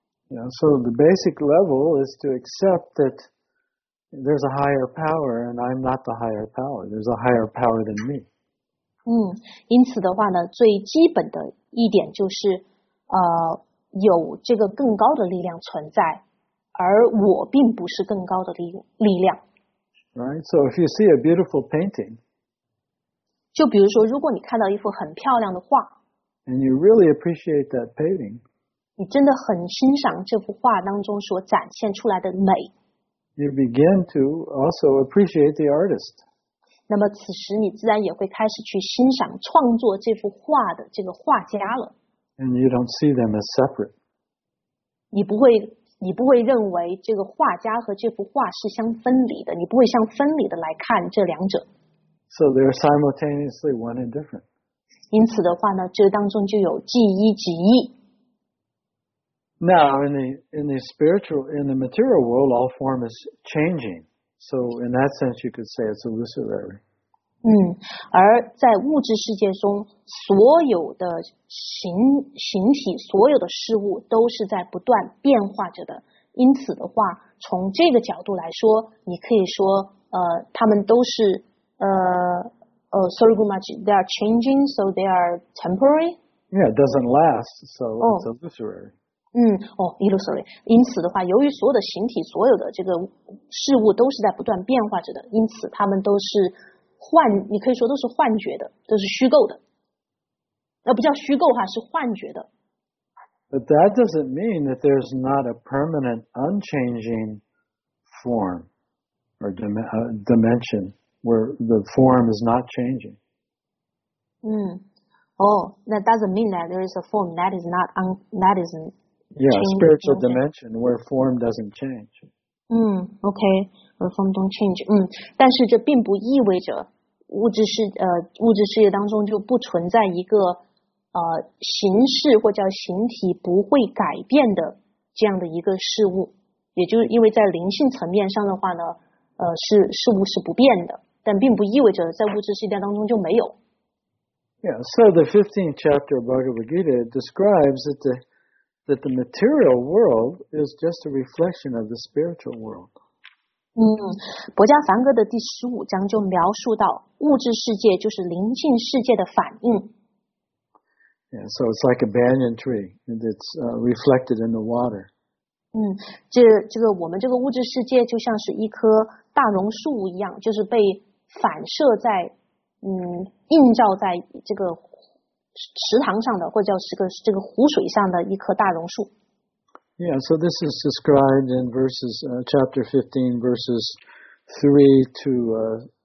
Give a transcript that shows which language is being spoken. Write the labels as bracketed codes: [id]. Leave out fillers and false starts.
[en] Yeah, so the basic level is to accept that there's a higher power and I'm not the higher power. There's a higher power than me. [zh] 因此的话呢，最基本的一点就是有这个更高的力量存在，而我并不是更高的力量。 [en] Right, so if you see a beautiful painting, [zh] 就比如说如果你看到一幅很漂亮的画， [en] and you really appreciate that painting, [zh] 你真的很欣赏这幅画当中所展现出来的美， [en] you begin to also appreciate the artist. [zh] 那么此时你自然也会开始去欣赏创作这幅画的这个画家了。 [en] And you don't see them as separate. [zh] 你不会认为这个画家和这幅画是相分离的，你不会相分离的来看这两者。 [en] So they're simultaneously one and different. [zh] 因此的话呢，这当中就有即一即一。 [en] Now in the spiritual, in the material world, all form is changing. So in that sense, you could say it's illusory. [zh] 而在物质世界中，所有的形体，所有的事物都是在不断变化着的。因此的话，从这个角度来说，你可以说，他们都是 [en] sorry, Gumaji, they are changing, so they are temporary. Yeah, it doesn't last, so it's illusory. Illusory. [zh] 因此的话，由于所有的形体、所有的这个事物都是在不断变化着的，因此他们都是幻，你可以说都是幻觉的，都是虚构的。不叫虚构哈，是幻觉的。 [en] But that doesn't mean that there's not a permanent, unchanging form or dimension where the form is not changing. That doesn't mean that there is a form that is not that is not. Yeah, spiritual dimension where form doesn't change. Where form don't change. [zh] 但是这并不意味着物质世界当中就不存在一个形式或叫形体不会改变的这样的一个事物。也就是因为在灵性层面上的话呢，是事物是不变的，但并不意味着在物质世界当中就没有。 [en] Yeah, so the 15th chapter of Bhagavad Gita describes that that the material world is just a reflection of the spiritual world. [zh] 博迦梵歌的第十五章就描述到物质世界就是灵性世界的反应。 [en] Yeah, so it's like a banyan tree and it's reflected in the water. [zh] 这个我们这个物质世界就像是一棵大榕树一样，就是被反射在映照在这个池塘上的，或者叫是个这个湖水上的一棵大榕树。 [en] Yeah, so this is described in verses chapter 15, verses 3 to 6.